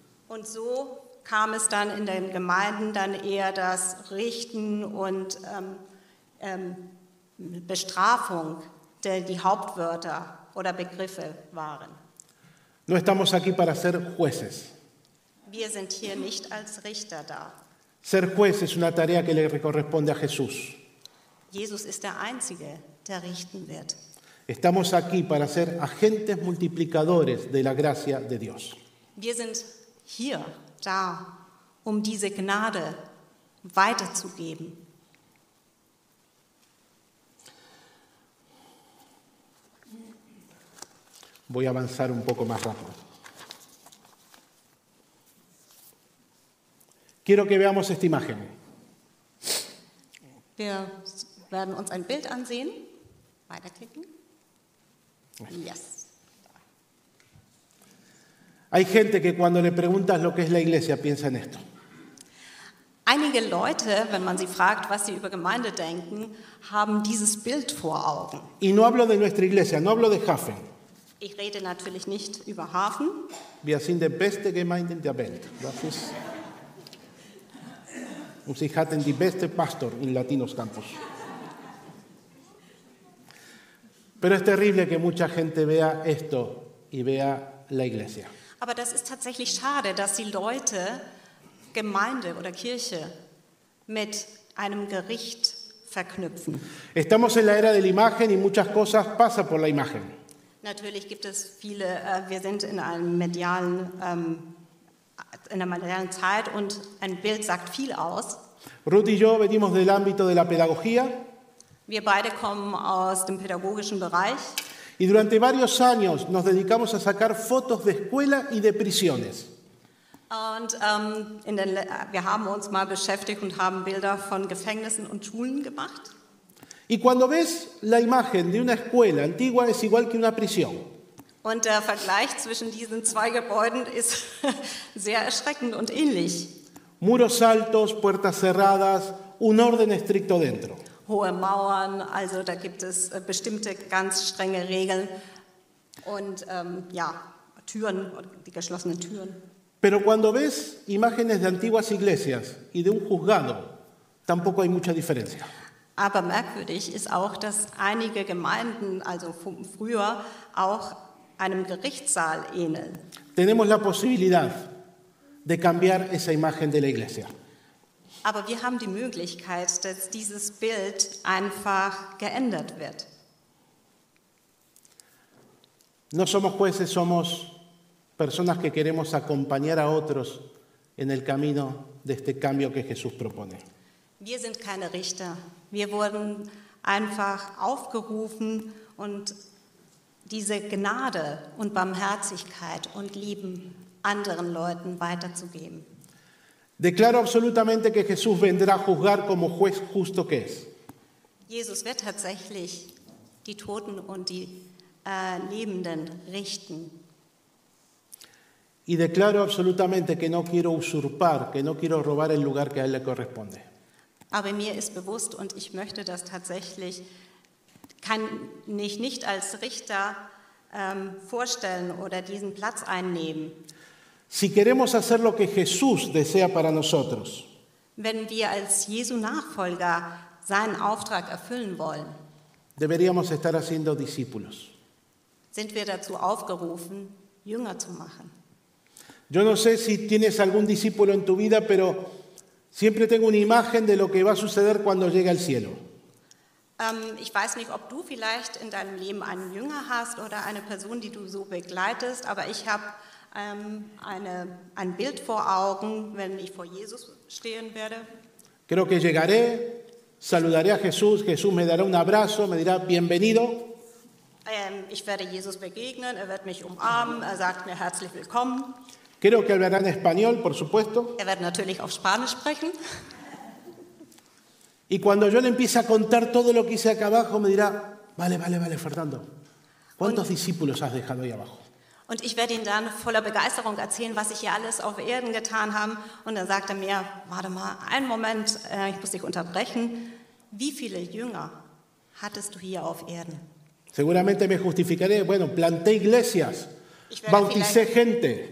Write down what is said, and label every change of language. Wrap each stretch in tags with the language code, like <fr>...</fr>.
<de>Und so kam es dann in den Gemeinden dann eher das Richten und Bestrafung, die Hauptwörter oder Begriffe waren.</de> <es>No estamos aquí para ser jueces.</es> <de>Wir sind hier nicht als Richter da.</de> <es>Ser juez es una tarea que le corresponde a Jesús.</es> <de>Jesus ist der Einzige, der richten wird.</de> <es>Estamos aquí para ser agentes multiplicadores de la gracia de Dios.</es> <de>Wir sind hier da, diese Gnade weiterzugeben.</de> <es>Voy a avanzar un poco más rápido. Quiero que veamos esta imagen.</es> <de>Wir werden uns ein Bild ansehen. Weiterklicken. Yes.</de> <es>Hay gente que cuando le preguntas lo que es la iglesia piensa en esto.</es> <de>Einige Leute, wenn man sie fragt, was sie über Gemeinde denken, haben dieses Bild vor Augen.</de> <es>Y no hablo de nuestra iglesia, no hablo de Hafen.</es> <de>Ich rede natürlich nicht über Hafen. Wir sind die beste Gemeinde der Welt. Das ist. Und sie hatten die beste Pastor in Latinos Campus.</de> <es>Pero es terrible que mucha gente vea esto y vea la iglesia.</es> <de>Aber das ist tatsächlich schade, dass die Leute Gemeinde oder Kirche mit einem Gericht verknüpfen.</de> <es>Estamos en la era de la imagen y muchas cosas pasan por la imagen.</es> <de>Natürlich gibt es viele, wir sind in einem medialen, in der modernen Zeit und ein Bild sagt viel aus.</de> <es>Ruth y yo venimos del ámbito de la pedagogía.</es> <de>Wir beide kommen aus dem pädagogischen Bereich.</de> <es>Y durante varios años nos dedicamos a sacar fotos de escuela y de prisiones.</es> <de>Und wir haben uns mal beschäftigt und haben Bilder von Gefängnissen und Schulen gemacht.</de> <es>Y cuando ves la imagen de una escuela antigua es igual que una prisión.</es> <de>Und der Vergleich zwischen diesen zwei Gebäuden ist sehr erschreckend und ähnlich.</de> <es>Muros altos, puertas cerradas, un orden estricto dentro.</es> <de>Hohe Mauern, also da gibt es bestimmte ganz strenge Regeln und Türen, die geschlossenen Türen.</de> <es>Pero cuando ves imágenes de antiguas iglesias y de un juzgado, tampoco hay mucha diferencia.</es> <de>Aber merkwürdig ist auch, dass einige Gemeinden, also früher, auch einem Gerichtssaal ähneln.</de> <es>Tenemos la posibilidad de cambiar esa imagen de la iglesia.</es> <de>Aber wir haben die Möglichkeit, dass dieses Bild einfach geändert wird.</de> <es>No somos jueces, somos personas que queremos acompañar a otros en el camino de este cambio que Jesús propone.</es> <de>Wir sind keine Richter. Wir wurden einfach aufgerufen und diese Gnade und Barmherzigkeit und Lieben anderen Leuten weiterzugeben.</de> <es>Declaro absolutamente que Jesús vendrá a juzgar como juez justo que es.</es> <de>Jesus wird tatsächlich die Toten und die Lebenden richten.</de> <es>Y declaro absolutamente que no quiero usurpar, que no quiero robar el lugar que a él le corresponde.</es> <de>Aber mir ist bewusst und ich möchte das tatsächlich, kann mich nicht als Richter vorstellen oder diesen Platz einnehmen.</de> <es>Si queremos hacer lo que Jesús desea para nosotros,</es> <de>wenn wir als Jesu Nachfolger seinen Auftrag erfüllen wollen,</de> <es>deberíamos estar haciendo discípulos.</es> <de>Sind wir dazu aufgerufen, Jünger zu machen.</de> <es>Yo no sé si tienes algún discípulo en tu vida, pero siempre tengo una imagen de lo que va a suceder cuando llegue al cielo.</es> <de>Ich weiß nicht, ob du vielleicht in deinem Leben einen Jünger hast oder eine Person, die du so begleitest, aber ich habe ein Bild vor Augen, wenn ich vor Jesus stehen werde.</de> <es>Creo que llegaré, saludaré a Jesús, Jesús me dará un abrazo, me dirá bienvenido.</es> <de>Ich werde Jesus begegnen, er wird mich umarmen, er sagt mir herzlich willkommen.</de> <es>Creo que hablará en español, por supuesto.</es> <de>Er wird natürlich auf Spanisch sprechen.</de> <es>Y cuando yo le empiece a contar todo lo que hice acá abajo, me dirá, vale, Fernando, ¿cuántos discípulos has dejado ahí abajo?</es> <de>Und ich werde ihn dann voller Begeisterung erzählen, was ich hier alles auf Erden getan habe. Und dann sagt er mir, warte mal, einen Moment, ich muss dich unterbrechen. Wie viele Jünger hattest du hier auf Erden?</de> <es>Seguramente me justificaré, bueno, planté iglesias, bauticé gente.</es>